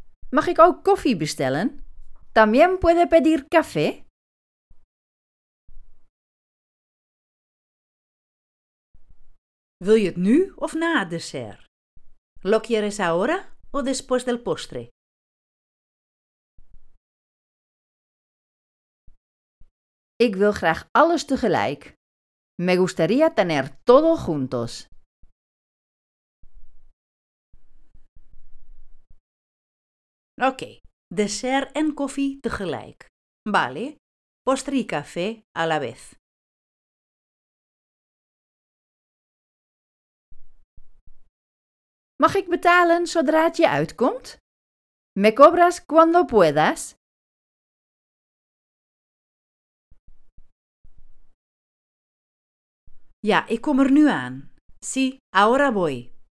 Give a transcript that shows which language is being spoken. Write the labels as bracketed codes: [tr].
[nl] Mag ik ook koffie bestellen? [es] También puede pedir café? [nl] Wil je het nu of na het dessert? [es] ¿Lo quieres ahora o después del postre? [nl] Ik wil graag alles tegelijk. [es] Me gustaría tener todo juntos. [nl] Oké, dessert en koffie tegelijk. [es] Vale, postre y café a la vez. [nl] Mag ik betalen zodra het je uitkomt? [es] Me cobras cuando puedas. [nl] Ja, ik kom er nu aan. [es] Sí, ahora voy.